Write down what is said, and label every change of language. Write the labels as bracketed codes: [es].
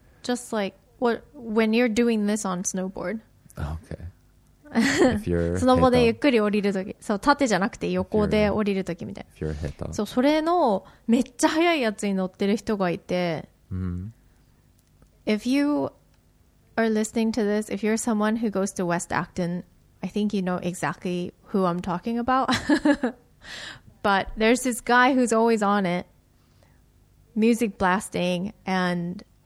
[en] Just like when you're doing this on snowboard. Okay. If you're [ja] スノボでゆっくり降りるとき、そう縦じゃなくて横で降りるときみたい。 [en] If you're hit on. [ja] そう、それのめっちゃ速いやつに乗ってる人がいて。 Mm-hmm. [en] If you are listening to this, if you're someone who goes to West Acton, I think you know exactly who I'm talking about. But there's this guy who's always on it, music blasting and.